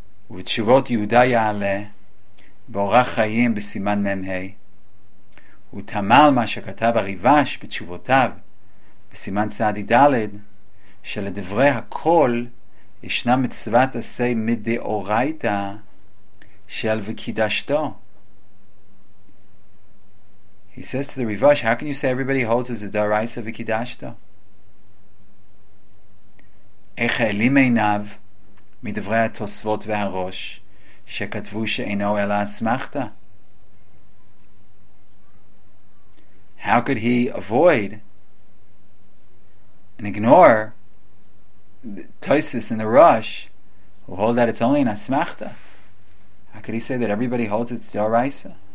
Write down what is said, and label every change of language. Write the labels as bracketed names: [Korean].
[Hebrew] V'tshuvot Yehuda Ya'ale Borach Chayim B'Siman Memhei U'tamal Ma Shekatav Arivash B'tshuvotav B'Siman Tzadi Dalet שלדברי הכל ישנה מצוות עשה מדאורייתא של וקידשתו. [English] He says to the Rivash, how can you say everybody holds as a Doraisa וקידשתו? [Hebrew] איך העלים עיניו מדברי התוספות והראש שכתבו שאינו אלא אסמכתא? [English] How could he avoid and ignore Tosfos and the Rosh, who hold that it's only an asmachta? How could he say that everybody holds it's Doraisa?